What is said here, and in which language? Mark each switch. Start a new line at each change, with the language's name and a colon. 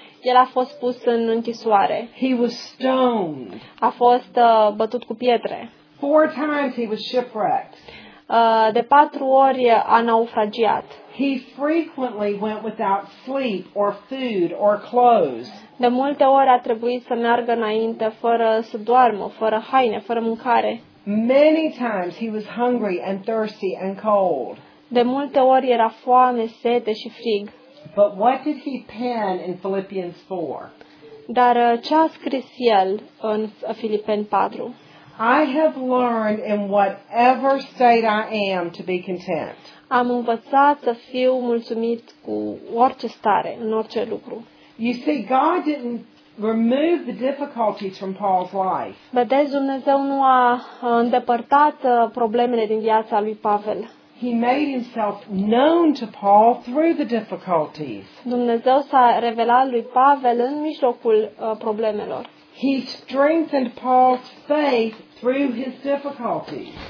Romanian: El a fost pus în închisoare.
English: He was stoned.
Romanian: A fost bătut cu pietre.
English: 4 times he was shipwrecked.
Romanian: De 4 ori a naufragiat.
English: He frequently went without sleep or food or clothes.
Romanian: De multe ori a trebuit să meargă înainte fără să doarmă, fără haine, fără mâncare.
English: Many times he was hungry and thirsty and cold.
Romanian: De multe ori era foame, sete și frig.
English: But what did he pen in Philippians 4?
Romanian: Dar ce a scris el în Filipeni 4?
English: I have learned in whatever state I am to be content.
Romanian: Am învățat să fiu mulțumit cu orice stare, în orice lucru.
English: You see, God didn't remove the difficulties from Paul's life.
Romanian: Vedeți, Dumnezeu nu a îndepărtat problemele din viața lui Pavel.
English: He made himself known to Paul through the difficulties.
Romanian: Dumnezeu s-a revelat lui Pavel în mijlocul problemelor.
English: He strengthened Paul's faith through his difficulties.